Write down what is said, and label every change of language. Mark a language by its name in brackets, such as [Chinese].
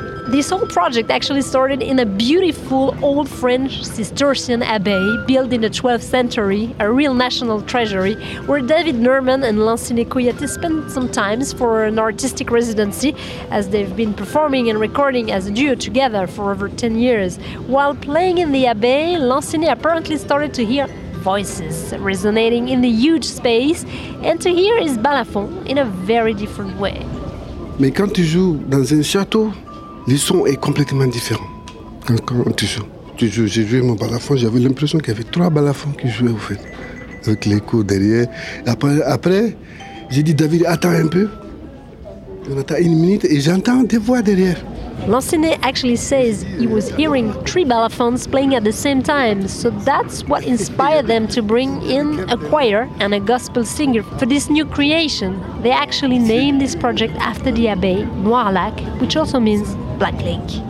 [English] This whole project actually started in a beautiful old French Cistercian abbey built in the 12th century, a real national treasury, where David Nierman and Lansine Kouyaté spent some time for an artistic residency, as they've been performing and recording as a duo together for over 10 years. While playing in the abbey, Lansine apparently started to hear voices resonating in the huge space and to hear his balafon in a very different way. [French] Mais quand tu joues dans un château, le son est complètement différent quand tu joues. Tu joues, j'ai joué mon balafon, j'avais l'impression qu'il y avait trois balafons qui jouaient au fait, avec l'écho derrière. Après, j'ai dit, David, attends un peu. On attend une minute et j'entends des voix derrière. [English] Lansine actually says he was hearing three balafons playing at the same time, so that's what inspired them to bring in a choir and a gospel singer for this new creation. They actually named this project after the abbey, Noir Lac, which also means Black Lake.